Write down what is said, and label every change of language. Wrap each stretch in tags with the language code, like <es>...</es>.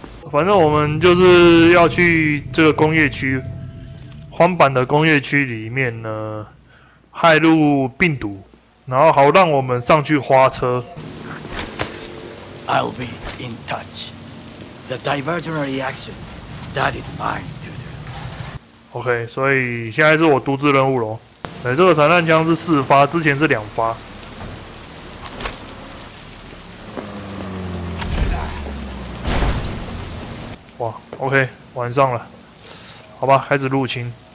<zh>反正我们就是要去这个工业区，荒坂的工业区里面呢，害入病毒，然后好让我们上去花车。</zh> <en>I'll be in touch. The diversion reaction, that is mine to do.</en> <zh>OK, 所以现在是我独自任务喽。哎，这个散弹枪是四发，之前是两发。哇 ，OK， 晚上了，好吧，开始入侵。</zh>